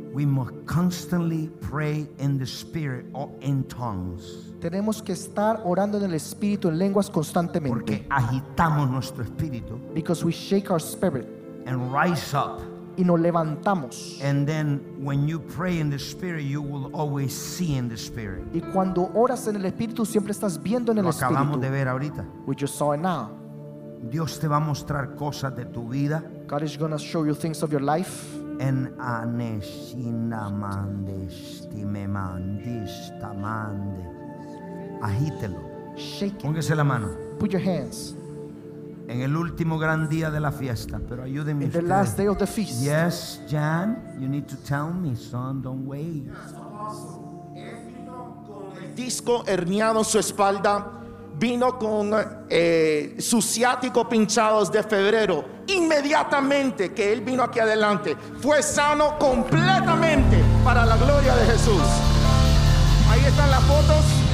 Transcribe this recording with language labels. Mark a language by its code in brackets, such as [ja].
[en] We must constantly pray in the spirit or in tongues. [es] Tenemos que estar orando en el espíritu en lenguas constantemente. Porque agitamos nuestro espíritu. [en] Because we shake our spirit. And rise up. [es] Y nos levantamos. [en] And then when you pray in the spirit, you will always see in the spirit. [es] Y cuando oras en el espíritu siempre estás viendo en el espíritu. Lo acabamos de ver ahorita. [en] We just saw it now. [es] Dios te va a mostrar cosas de tu vida. [en] God is going to show you things of your life. [es] En anesinamandestimemandistamande. Agítelo. [en] Shake it. [es] Póngase la mano. [en] Put your hands. [es] En el último gran día de la fiesta, pero ayúdeme [en] usted. In the last day of the feast. Yes, Jan, you need to tell me, son, don't wait. [es] Disco herniado en su espalda, vino con su ciático pinchados de febrero. Inmediatamente que él vino aquí adelante, fue sano completamente para la gloria de Jesús. Ahí están las fotos.